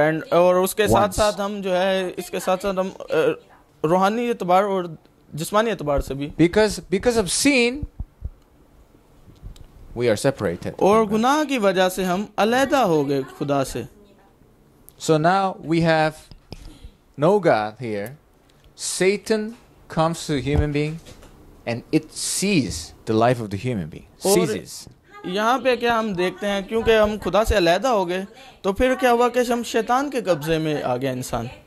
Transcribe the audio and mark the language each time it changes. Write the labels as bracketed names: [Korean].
[Urdu] اور اس کے ساتھ ساتھ ہم جو ہے اس کے ساتھ ساتھ ہم روحانی اعتبار اور جسمانی اعتبار سے بھی. [English] Because of sin we are separated. [Urdu] اور گناہ کی وجہ سے ہم علیحدہ ہو گئے خدا سے. [English] So now we have no God here. Satan comes to a human being and it sees the life of the human being. Seizes. [Urdu] یہاں پہ کیا ہم دیکھتے ہیں کیونکہ ہم خدا سے علیحدہ ہو گئے تو پھر کیا ہوا کہ ہم شیطان کے قبضے میں آ گیا انسان.